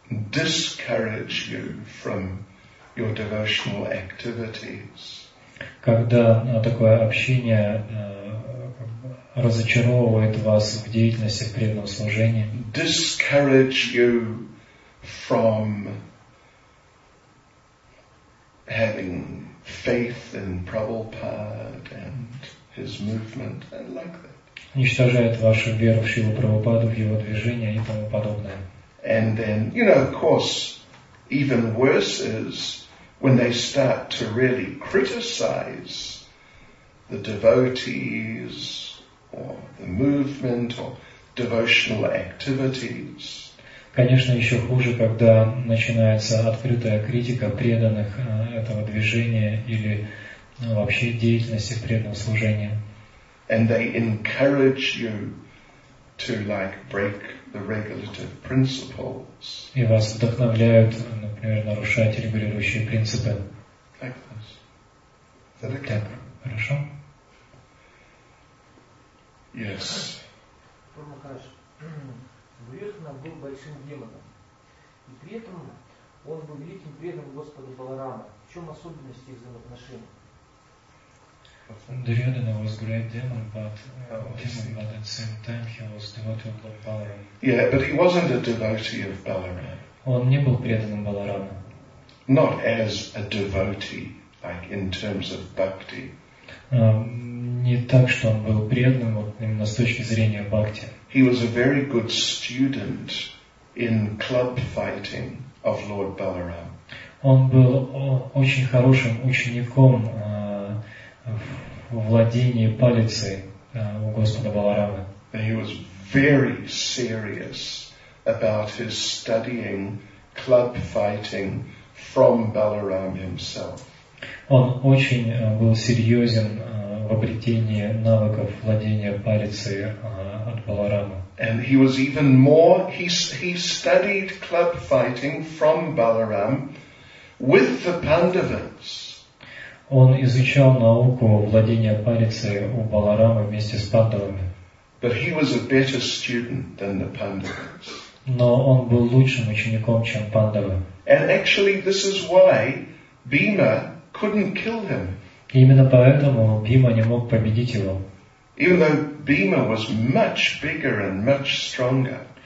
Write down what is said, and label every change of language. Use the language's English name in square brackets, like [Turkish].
[English] Discourage you from your devotional activities. [Russian] Когда такое общение разочаровывает вас в деятельности, в преданном служении. [English] Discourage you from having faith in Prabhupada and his movement and like that. [Russian] Уничтожает вашу веру в Шрилу Прабхупаду, в его движение и тому подобное. [English] And then, you know, of course, even worse is when they start to really criticize the devotees or the movement or devotional activities. [Russian] Конечно, еще хуже, когда начинается открытая критика преданных этого движения или вообще деятельности преданного служения. [English] And they encourage you to like break the regulative principles. [Russian] И вас вдохновляют, например, нарушать регулирующие принципы. [English] Like this. That okay? [Russian] Так, хорошо. [English] Yes. [Russian] Пурмахараш, Гурьотхана был большим демоном. И при этом он был великим преданным Господа Баларама. В чем особенности их взаимоотношений? [English] Duryodhana was a great demon, but at the same time he was a devotee of Lord Balaram. Yeah, but he wasn't a devotee of Balaram. [Russian] Он не был преданным Баларама. [English] Not as a devotee, like in terms of bhakti. [Russian] Не так, что он был преданным, вот именно с точки зрения бхакти. [English] He was a very good student in club fighting of Lord Balaram. [Russian] Он был очень хорошим учеником во владении палицей у Господа Баларамы. [English] He was very serious about his studying club fighting from Balaram himself. [Russian] Он очень был серьезен в обретении навыков владения палицей от Баларамы. [English] And he was even more, he studied club fighting from Balaram with the Pandavas. [Russian] Он изучал науку владения палицей у Баларамы вместе с пандавами. [English] But he was a better student than the Pandavas. [Russian] Но он был лучшим учеником, чем пандавы. [English] And actually this is why Bhima couldn't kill him. [Russian] Именно поэтому Бхима не мог победить его. [English] Even though Bhima was much bigger and much stronger.